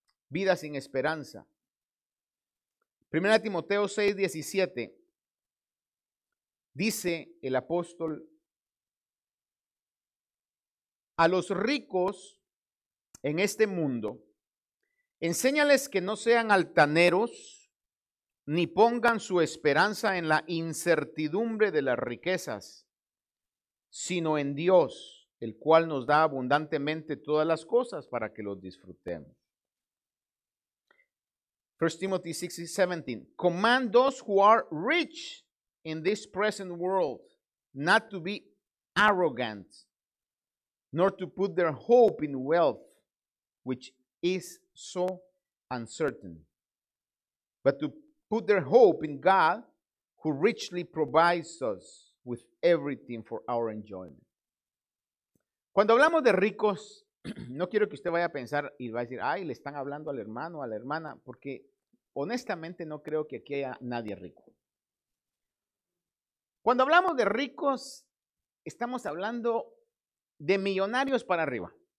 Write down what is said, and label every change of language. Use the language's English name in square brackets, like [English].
[Spanish] Vida sin esperanza. 1 Timoteo 6:17 dice el apóstol, a los ricos en este mundo, enséñales que no sean altaneros ni pongan su esperanza en la incertidumbre de las riquezas, sino en Dios, el cual nos da abundantemente todas las cosas para que los disfrutemos. [English] 1 Timothy 6:17, command those who are rich in this present world not to be arrogant, nor to put their hope in wealth, which is so uncertain, but to put their hope in God, who richly provides us with everything for our enjoyment. [Spanish] Cuando hablamos de ricos, no quiero que usted vaya a pensar y va a decir, ay, le están hablando al hermano o a la hermana, porque honestamente no creo que aquí haya nadie rico. Cuando hablamos de ricos, estamos hablando de millonarios para arriba.